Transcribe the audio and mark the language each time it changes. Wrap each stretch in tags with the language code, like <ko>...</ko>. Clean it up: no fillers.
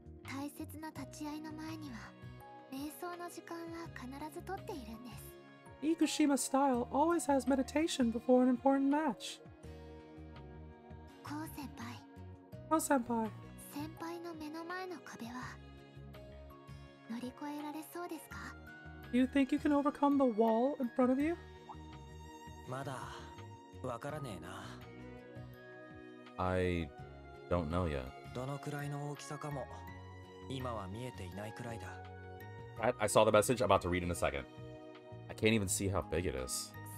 <ja>大切な立ち合いの前には瞑想の時間は必ず取っているんです。</ja> <en>Ikushima style always has meditation before an important match. Kou-senpai. Kou-senpai.</en> <ja>先輩の目の前の壁は乗り越えられそうですか?</ja> <en>You think you can overcome the wall in front of you?</en> <ja>まだわからねえな。</ja> <en>I don't know yet.</en> <ja>どのくらいの大きさかも今は見えていないくらいだ。</ja> <en>I saw the message. I'm about to read in a second. I can't even see how big it is.</en>